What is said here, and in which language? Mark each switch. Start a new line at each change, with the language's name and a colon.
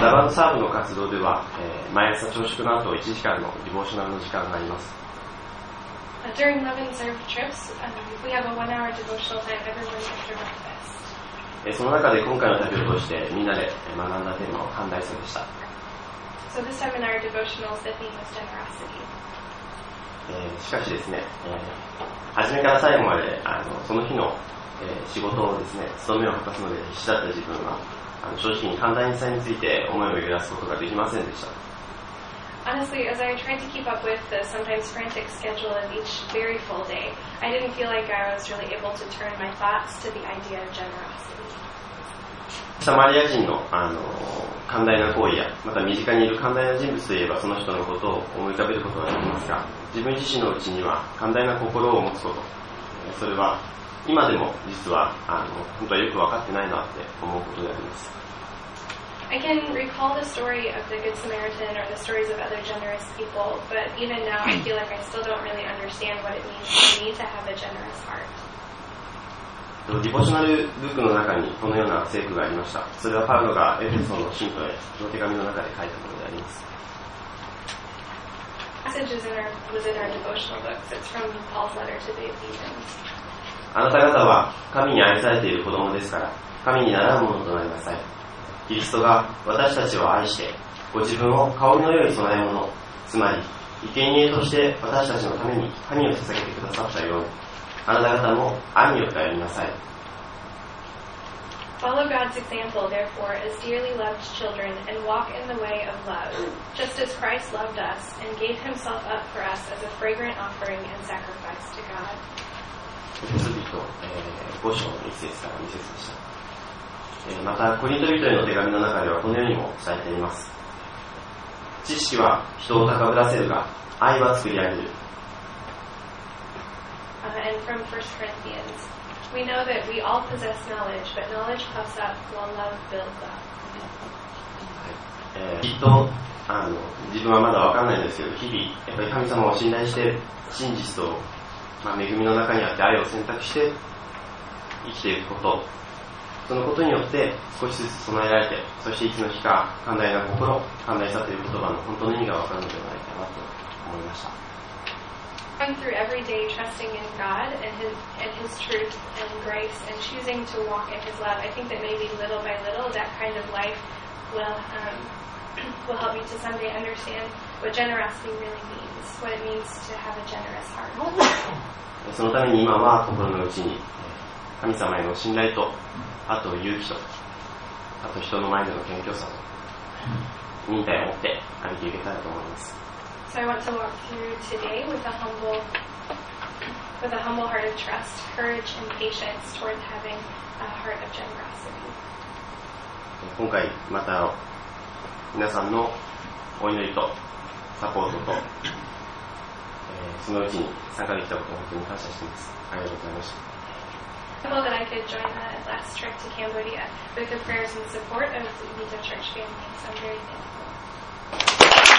Japanese: ダバンサーブの活動では、毎朝朝食の後1時間のディボーショナルの時間があります。
English: During Love and Serve trips, we have a one-hour devotional time every morning after breakfast.
Japanese: その中で今回の旅を通してみんなで学んだテーマは寛大さでした。
English: So this time in our devotionals, the theme was generosity.
Japanese: しかしですね、初めから最後までその日の、仕事をですね、勤めを果たすので必死だった自分は、正直に寛大さについて思いを揺らすことができませんでした。
English: Honestly, as I tried to keep up with the sometimes frantic schedule of each very full day, I didn't feel like I was really able to turn my thoughts to the idea of generosity.
Japanese: サマリア人の、寛大な行為や、また身近にいる寛大な人物といえばその人のことを思い浮かべることができますが、自分自身のうちには寛大な心を持つこと、それは今でも実は本当はよく分かってないなって思うことであります。
English: I can recall the story of the Good Samaritan or the stories of other generous people, but even now I feel like I still don't really understand what it means for me to have a generous heart.
Japanese: ディボーショナルブックの中にこのような聖句がありました。それはパウロがエフェソの信徒への手紙の中で書いたものであります。
English: Passages in our devotional books. It's from Paul's letter to the Ephesians.
Japanese: あなた方は神に愛されている子供ですから、神に習うものとなりなさい。キリストが私たちを愛して、ご自分を香りの良い供え物、つまり、生贄として私たちのために神を捧げてくださったように、あなた方も愛によって歩みなさい。
English: Follow God's example, therefore, as dearly loved children, and walk in the way of love, just as Christ loved us and gave himself up for us as a fragrant offering and sacrifice to God.
Japanese: エペソ人、五章の一節から二節でした。またコリント人への手紙の中ではこのようにも伝えています。知識は人を高ぶらせるが、愛は作り上げる。
English: And from 1 Corinthians, we know that we all possess knowledge, but knowledge puffs up while love builds up.
Japanese: きっと自分はまだ分かんないですけど、日々やっぱり神様を信頼して真実と、恵みの中にあって愛を選択して生きていくこと、そのことによって少しずつ備えられて、そしていつの日か寛大な心、寛大さという言葉の本当の意味が分かるのではないかなと思いました。
English: Going through every day trusting in God and his truth and grace and choosing to walk in his love, I think that maybe little by little that kind of life will help you to someday understand what generosity really means, what it means to have a generous heart.
Japanese: そのために今は心のうちに神様への信頼と、あと勇気と、あと人の前での謙虚さと、忍耐を持って歩いていけたらと思います。
English: So I want to walk through today with a humble heart of trust, courage and patience toward having a heart of generosity.
Japanese: 今回また皆さんのお祈りとサポートと、そのうちに参加できたことを本当に感謝しています。ありがとうございました。
English: I'm grateful that I could join the last trip to Cambodia with the prayers and support of the Vita Church family, so I'm very thankful.